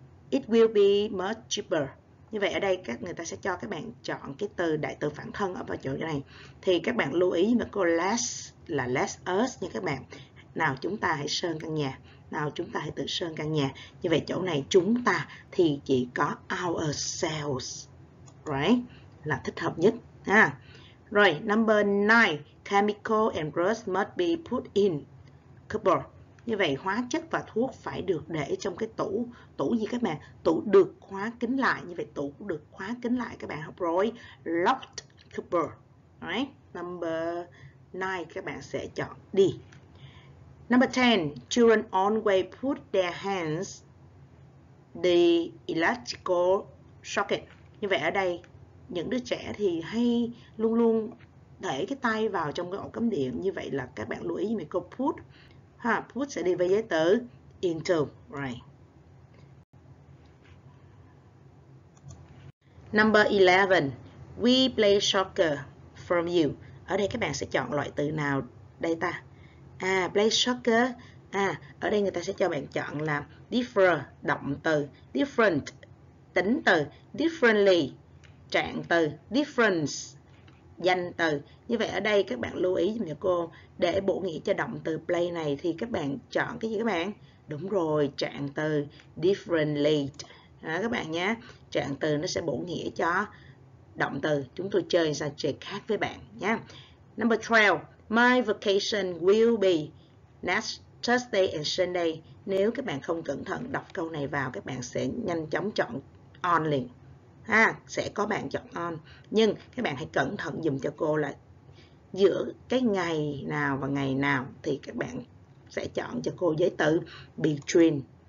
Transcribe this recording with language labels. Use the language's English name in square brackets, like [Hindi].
[English] It will be much cheaper. [Vietnamese] Như vậy ở đây các người ta sẽ cho các bạn chọn cái từ đại từ phản thân ở vào chỗ này. Thì các bạn lưu ý mà câu let's là let us nha các bạn. Nào chúng ta hãy sơn căn nhà. Nào chúng ta hãy tự sơn căn nhà. Như vậy chỗ này chúng ta thì chỉ có ourselves, right? Là thích hợp nhất ha. [English] Rồi, number 9, chemical and drugs must be put in cupboard. [Vietnamese] Như vậy hóa chất và thuốc phải được để trong cái tủ, tủ gì các bạn? Tủ được khóa kín lại. Như vậy tủ được khóa kín lại các bạn học rồi. [English] Locked cupboard. Right? Number 9 [Vietnamese] các bạn sẽ chọn đi. [English] Number 10, children always put their hands the electrical socket. [Vietnamese] Như vậy ở đây, những đứa trẻ thì hay luôn luôn để cái tay vào trong cái ổ cắm điện. Như vậy là các bạn lưu ý mình câu put. Put sẽ đi với giới từ into. Right. [English] Number 11, we play soccer from you. [Vietnamese] Ở đây các bạn sẽ chọn loại từ nào đây ta? Play soccer À, ở đây người ta sẽ cho bạn chọn là differ, động từ, different, tính từ, differently, trạng từ, difference, danh từ. Như vậy ở đây các bạn lưu ý giùm cho cô, để bổ nghĩa cho động từ play này thì các bạn chọn cái gì các bạn? Đúng rồi, trạng từ, differently. Đó, các bạn nhé, trạng từ nó sẽ bổ nghĩa cho động từ. Chúng tôi chơi sao chơi khác với bạn nhé. [English] Number 12, my vacation will be next Thursday and Sunday. [Vietnamese] Nếu các bạn không cẩn thận đọc câu này vào, các bạn sẽ nhanh chóng chọn on liền. Ha, sẽ có bạn chọn on. Nhưng các bạn hãy cẩn thận dùm cho cô là giữa cái ngày nào và ngày nào thì các bạn sẽ chọn cho cô giới từ between.